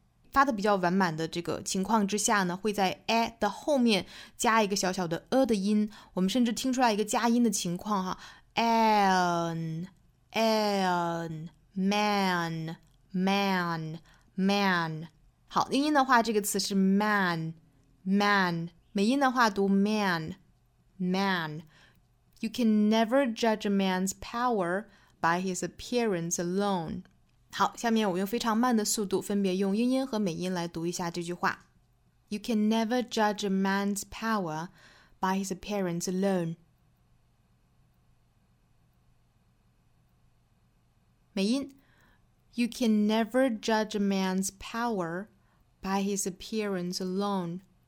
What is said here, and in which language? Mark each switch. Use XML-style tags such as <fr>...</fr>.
<zh>发的比较完满的这个情况之下呢，会在 a 的后面加一个小小的 a 的音，我们甚至听出来一个加音的情况哈， man。好，英音的话这个词是 man， 美音的话读 man。</zh> <en>You can never judge a man's power by his appearance alone。</en> <zh>好，下面我用非常慢的速度分别用英音和美音来读一下这句话。</zh> <en>You can never judge a man's power by his appearance alone.</en> <zh>美音</zh> <en>You can never judge a man's power by his appearance alone.</en>